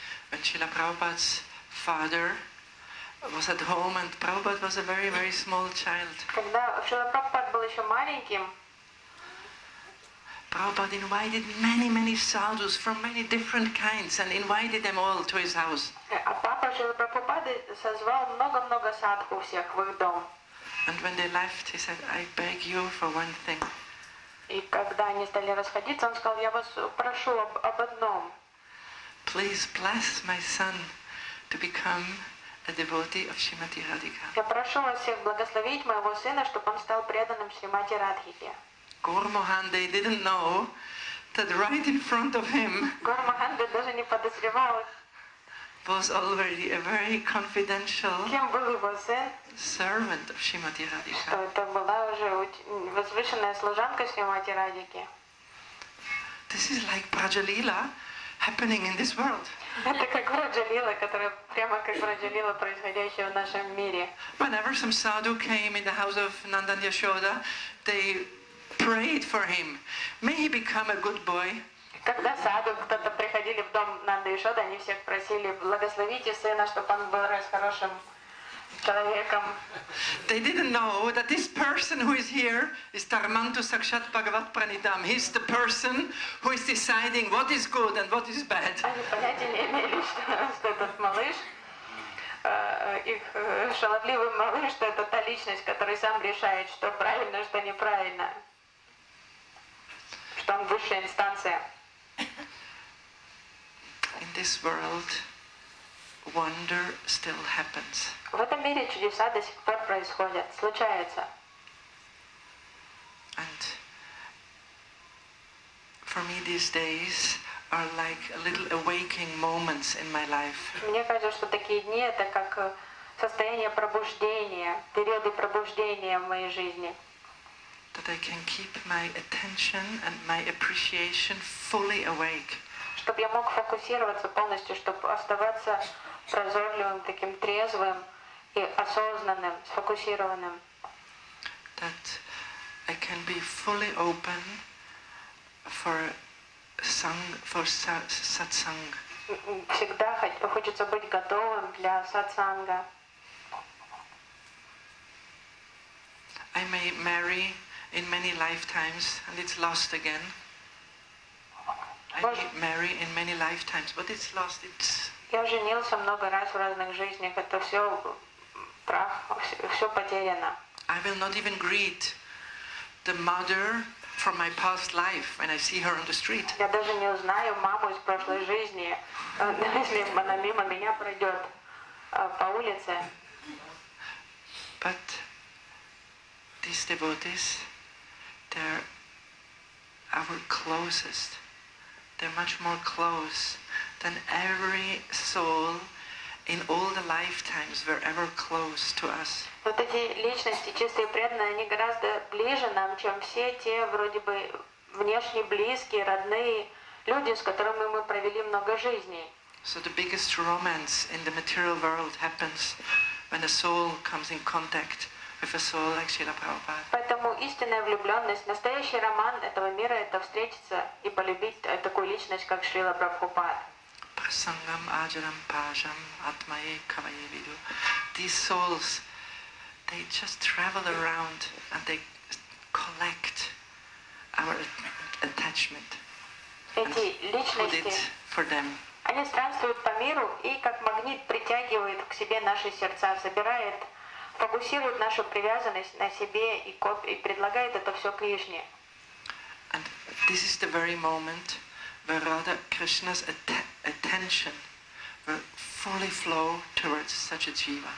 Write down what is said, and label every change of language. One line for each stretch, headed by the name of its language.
English: When Srila Prabhupada's father was at home and Prabhupada was a very, very small child.
Russian: Когда Шрила Прабхупада был еще маленьким,
English: Prabhupada invited many, many sadhus from many different kinds and invited them all to his house.
Russian: А папа Шрила Прабхупады созвал много-много садху всех в их дом.
English: And when they left, he said, I beg you for one thing.
Russian: И когда они стали расходиться, он сказал, я вас прошу об одном.
English: Please bless my son to become a devotee of Shrimati Radhika.
Russian: Я прошу вас всех благословить моего сына, чтобы он стал преданным Шримати Радхике.
English: Гур Мохан, they didn't know that right in front of him
Russian: Гур Мохан даже не подозревал,
English: was already a very confidential
Russian: кем был его сын?
English: Servant of Shrimati Radhika.
Russian: Это была уже возвышенная служанка Шримати Радхики.
English: This is like Prajalila happening in this world.
Russian: Это как Раджалила, которая прямо как Раджалила, происходящая в нашем мире.
English: Whenever some sadhu came in the house of Nandan Yashoda, they prayed for him. May he become a good boy.
Russian: Когда саду кто-то приходили в дом Нанды Яшоды, они всех просили, благословите сына, чтобы он был раз хорошим человеком.
English: They didn't know that this person who is here is Tarmantu Sakshat Bhagavat Pranidam. He's the person who is deciding what is good and what is bad.
Russian: Они понятия не имели, что этот малыш, их шаловливый малыш, что это та личность, которая сам решает, что правильно, что неправильно. Что он высшая инстанция.
English: In this world, wonder still happens.
Russian: В этом мире чудеса до сих пор происходят, случаются.
English: And for me, these days are like a little awakening moments in my life.
Russian: Мне кажется, что такие дни это как состояние пробуждения, периоды пробуждения в моей жизни.
English: That I can keep my attention and my appreciation fully awake.
Russian: Чтобы я мог фокусироваться полностью, чтобы оставаться прозорливым, таким трезвым и осознанным, сфокусированным.
English: That I can be fully open for sang, for satsang.
Russian: Всегда хочется быть готовым для сатсанга.
English: I may marry in many lifetimes and it's lost again. I may marry in many lifetimes, but it's lost. It's
Russian: я женился много раз в разных жизнях, это все прах, все потеряно.
English: I will not even greet the mother from my past life when I see her on the street.
Russian: Я даже не узнаю маму из прошлой жизни, если она мимо меня пройдет по улице.
English: But these devotees, they're our closest. They're much more close than every soul in all the lifetimes were ever close to us.
Russian: Вот эти личности чистые и преданные, они гораздо ближе нам, чем все те вроде бы внешне близкие, родные люди, с которыми мы провели много жизней.
English: So the biggest romance in the material world happens when a soul comes in contact with a soul like Srila Prabhupada.
Russian: Поэтому истинная влюбленность, настоящий роман этого мира — это встретиться и полюбить такую личность, как Шрила Прабхупад.
Sanskrit: Prasangam, ajaram, pajam, atmaye, kavaye, vidu.
English: These souls, they just travel around and they collect our attachment.
Russian: эти личности, они странствуют по миру и как магнит притягивают к себе наши сердца, забирают, фокусируют нашу привязанность на себе и предлагают это все Кришне.
English: And this is the very moment where Radha Krishna's attention will fully flow towards such a jiva.